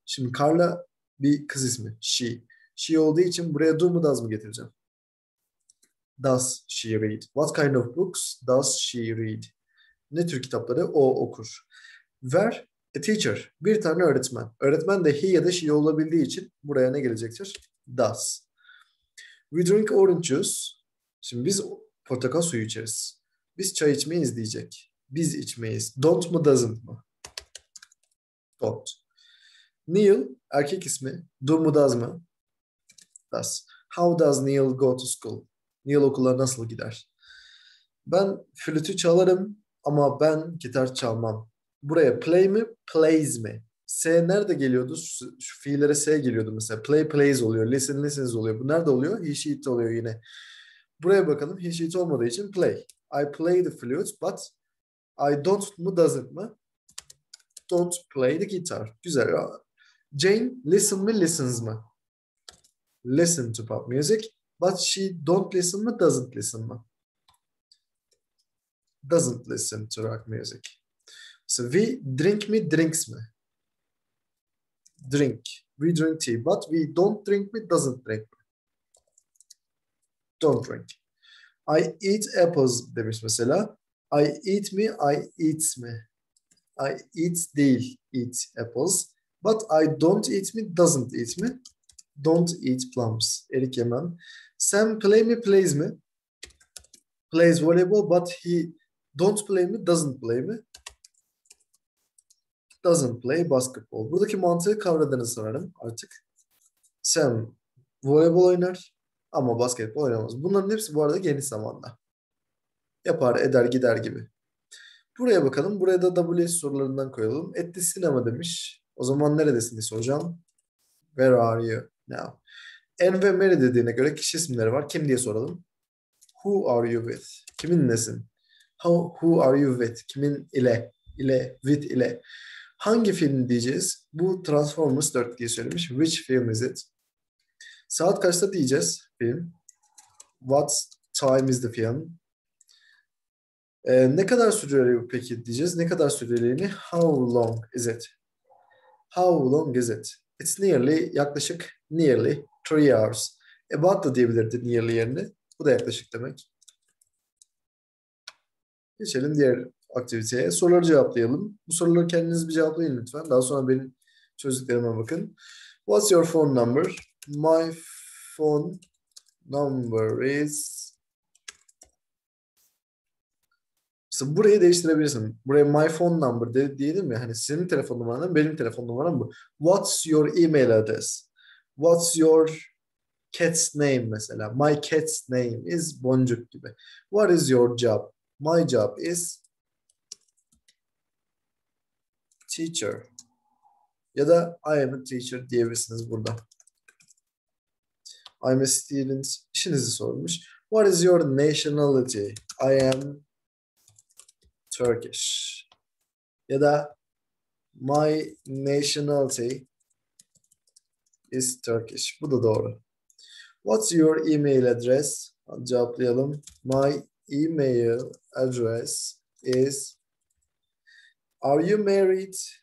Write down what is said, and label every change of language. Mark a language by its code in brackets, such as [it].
[tr] Şimdi Carla bir kız ismi. [en] She. She [tr] olduğu için buraya do mu does mı getireceğim? [en] Does she read? What kind of books does she read? [tr] Ne tür kitapları o okur? [en] Where? A teacher. [tr] Bir tane öğretmen. Öğretmen de he ya da she olabildiği için buraya ne gelecektir? [en] Does. We drink orange juice. [tr] Şimdi biz portakal suyu içeriz. Biz çay içmeyiz diyecek. Biz içmeyiz. Don't mu doesn't mı? [en] Don't. [tr] Neil erkek ismi. Do mu does mı? [en] Does. How does Neil go to school? [tr] Neil okula nasıl gider? Ben flütü çalarım ama ben gitar çalmam. Buraya play mi? Plays mi? S nerede geliyordu? Şu fiillere S geliyordu mesela. Play plays oluyor. Listen listens oluyor. Bu nerede oluyor? He she it oluyor yine. Buraya bakalım. He she it olmadığı için [en] play. I play the flute but I don't mu doesn't mı? Don't play the guitar. [tr] Güzel ya. [en] Jane listen mi listens mı? Listen to pop music, but she don't listen mı doesn't listen mı? Doesn't listen to rock music. So we drink mi drinks mi? Drink. We drink tea, but we don't drink mi doesn't drink mi? Don't drink. I eat apples [tr] demiş mesela. [en] I eat mi? I eat mi? I eat [tr] değil. [en] Eat apples. But I don't eat mi, doesn't eat mi? Don't eat plums. [tr] Erik yemem. [en] Sam play mi, plays mi? Plays voleybol but he don't play mi, doesn't play mi? Doesn't play basketball. [tr] Buradaki mantığı kavradığını sanırım artık. Sam voleybol oynar ama basketbol oynamaz. Bunların hepsi bu arada geniş zamanda. Yapar, eder, gider gibi. Buraya bakalım. Buraya da WH sorularından koyalım. At the cinema demiş. O zaman neredesin diye soracağım. [en] Where are you now? [tr] Anne ve Mary dediğine göre kişi isimleri var. Kim diye soralım. [en] Who are you with? [tr] Kimin nesin? [en] Who are you with? [tr] Kimin ile? İle, [en] with ile. [tr] Hangi film diyeceğiz? Bu Transformers 4 diye söylemiş. [en] Which film is it? [tr] Saat kaçta diyeceğiz film? [en] What time is the film? [tr] Ne kadar sürüyor peki diyeceğiz. [en] Ne kadar süreliğini? How long is it? How long is it? It's nearly, [tr] yaklaşık [en] nearly 3 hours. [tr] About da diyebilirdi nearly yerine. Bu da yaklaşık demek. Geçelim diğer aktiviteye. Soruları cevaplayalım. Bu soruları kendiniz bir cevaplayın lütfen. Daha sonra benim çözdüklerime bakın. [en] What's your phone number? My phone number is... [tr] Mesela burayı değiştirebilirsin. Buraya [en] my phone number [tr] de, diyelim ya. Hani senin telefon numaran, benim telefon numaram bu. [en] What's your email address? What's your cat's name [tr] mesela? [en] My cat's name is boncuk [tr] gibi. [en] What is your job? My job is teacher. [tr] Ya da [en] I am a teacher [tr] diyebilirsiniz burada. [en] I'm a student. [tr] İşinizi sormuş. [en] What is your nationality? I am Turkish. [tr] Ya da [en] my nationality is Turkish. [tr] Bu da doğru. [en] What's your email address? [tr] Hadi cevaplayalım. [en] My email address is Are you married?